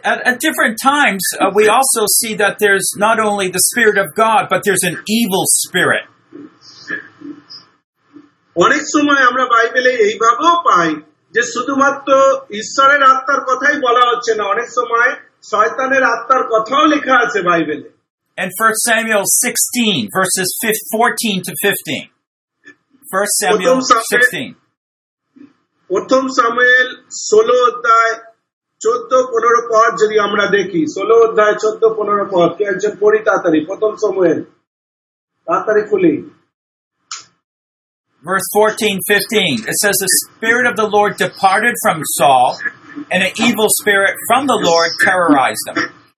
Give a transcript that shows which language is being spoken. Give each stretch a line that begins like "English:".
English: At different times, we also see that there's not only the Spirit of God, but there's an evil spirit.
Bangla: অনেক সময় আমরা বাইবেলে এইভাবেও পাই যে শুধুমাত্র ঈশ্বরের আত্মার কথাই বলা হচ্ছে না, অনেক সময় শয়তানের আত্মার কথাও লেখা আছে বাইবেলে।
English: And 1 Samuel 16, verses 14 to 15. 1 Samuel 16.
Bangla: প্রথম সামুয়েল 16 অধ্যায় 14 15 পদ যদি আমরা দেখি, 16 অধ্যায় 14 15 পদ, কে একজন পড়ি তাড়াতাড়ি, প্রথম সামুয়েল তাড়াতাড়ি খুলি।
English: Verse 14:15, it says, "The Spirit of the Lord departed from Saul, and an evil spirit from the Lord terrorized him."